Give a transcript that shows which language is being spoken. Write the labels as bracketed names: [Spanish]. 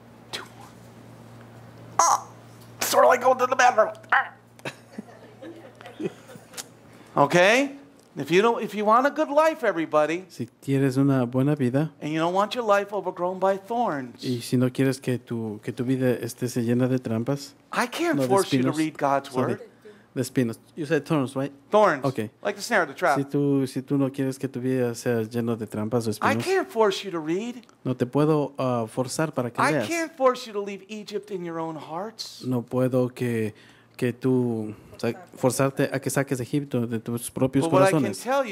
[English] Two more. Oh, sort of like going to the bathroom. Okay. If you want a good life, everybody. [Spanish] Si quieres una buena vida. [English] And you don't want your life overgrown by thorns. [Spanish] Y si no quieres que tu vida esté llena de trampas. [English] I can't force you to read God's word. [Spanish] De espinos. [English] You said thorns, right? Thorns. Okay. Like the snare of the trap. [Spanish] Si tú no quieres que tu vida sea llena de trampas o espinos. [English] I can't force you to read. [Spanish] No te puedo forzar para que leas. [English] I can't force you to leave Egypt in your own hearts. [Spanish] No puedo que tú forzarte a que saques Egipto de tus propios corazones.